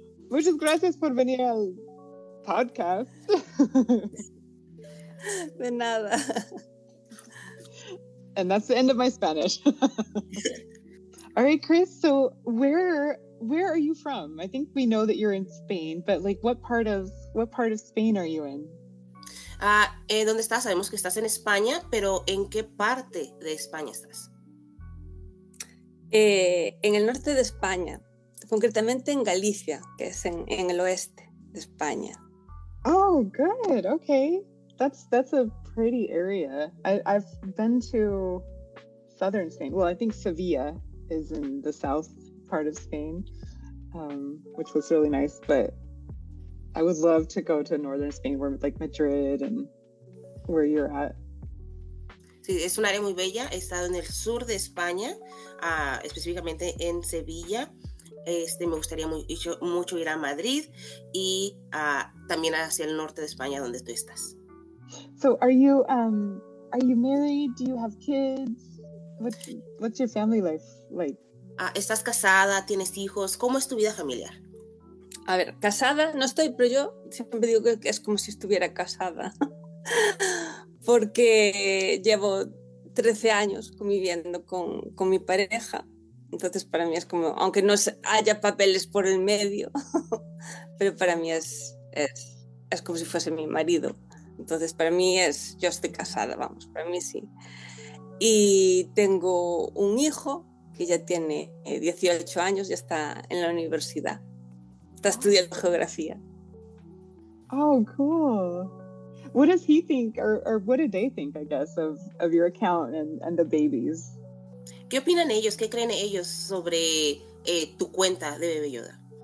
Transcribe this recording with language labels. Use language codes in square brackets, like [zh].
[es] Muchas gracias por venir al podcast. De nada. [en] And that's the end of my Spanish. All right, Chris, so where are you from? I think we know that you're in Spain, but like what part of Spain are you in? [es] ¿Dónde estás? Sabemos que estás en España, pero ¿en qué parte de España estás? En el norte de España, concretamente en Galicia, que es en el oeste de España. [en] Oh, good. Okay. That's a pretty area. I've been to southern Spain. Well, I think Sevilla is in the south part of Spain, which was really nice, but I would love to go to northern Spain, where like Madrid and where you're at. [es] Sí, es un área muy bella. He estado en el sur de España, específicamente en Sevilla. Me gustaría mucho ir a Madrid y también hacia el norte de España, donde tú estás. [en] So, are you married? Do you have kids? What's your family life like? [es] ¿Estás casada? ¿Tienes hijos? ¿Cómo es tu vida familiar? A ver, casada no estoy, pero yo siempre digo que es como si estuviera casada. Porque llevo 13 años conviviendo con mi pareja. Entonces para mí es como, aunque no haya papeles por el medio, pero para mí es como si fuese mi marido. Entonces para mí es, yo estoy casada, vamos, para mí sí. Y tengo un hijo que ya tiene 18 años, ya está en la universidad. Está estudiando geografía. [en] Oh, cool. What does he think, or what do they think, I guess, of your account and the babies? [es] ¿Qué opinan ellos? ¿Qué creen ellos sobre tu cuenta de Bebé Yoda?